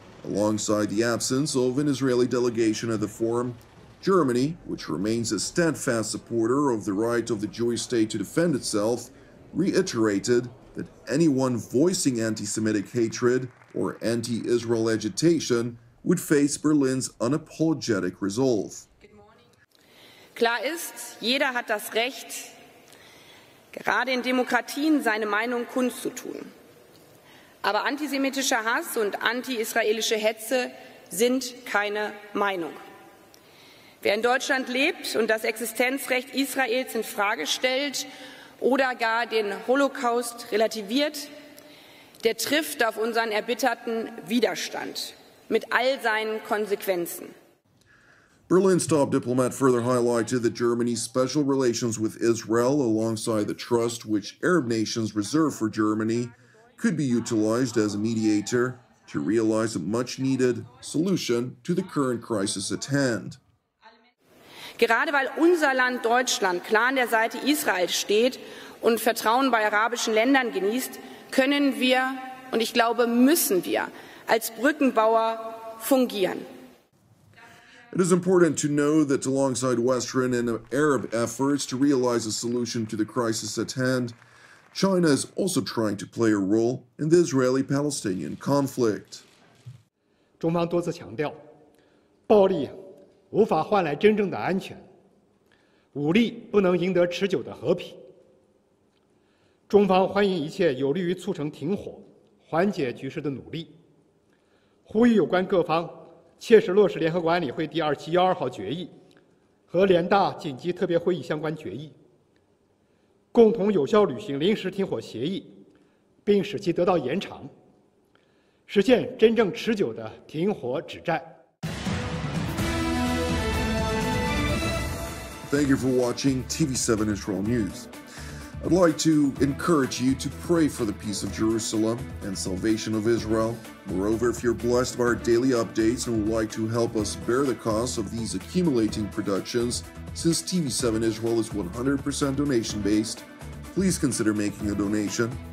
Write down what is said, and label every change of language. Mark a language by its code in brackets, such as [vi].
[en] Alongside the absence of an Israeli delegation at the forum, Germany, which remains a steadfast supporter of the right of the Jewish state to defend itself, reiterated that anyone voicing anti-Semitic hatred or anti-Israel agitation would face Berlin's unapologetic resolve. [de] Klar ist, jeder hat das Recht, gerade in Demokratien seine Meinung kundzutun. Aber antisemitischer Hass und anti-israelische Hetze sind keine Meinung. Wer in Deutschland lebt und das Existenzrecht Israels in Frage stellt oder gar den Holocaust relativiert, der trifft auf unseren erbitterten Widerstand mit all seinen Konsequenzen. [en] Berlin's top diplomat further highlighted that Germany's special relations with Israel, alongside the trust which Arab nations reserve for Germany, could be utilized as a mediator to realize a much-needed solution to the current crisis at hand. [de] Gerade weil unser Land Deutschland klar an der Seite Israels steht und Vertrauen bei arabischen Ländern genießt, können wir und ich glaube müssen wir als Brückenbauer fungieren. [en] It is important to know that alongside Western and Arab efforts to realize a solution to the crisis at hand, China is also trying to play a role in the Israeli-Palestinian conflict. [zh] 中方多次强调, 暴力无法换来真正的安全, 武力不能赢得持久的和平。中方欢迎一切有利于促成停火, 缓解局势的努力, 呼吁有关各方 切实落实联合国安理会第2712号决议和联大紧急特别会议相关决议，共同有效履行临时停火协议，并使其得到延长，实现真正持久的停火止战。 [en] Thank you for watching TV7 Israel News. I'd like to encourage you to pray for the peace of Jerusalem and salvation of Israel. Moreover, if you're blessed by our daily updates and would like to help us bear the cost of these accumulating productions, since TV7 Israel is 100% donation-based, please consider making a donation.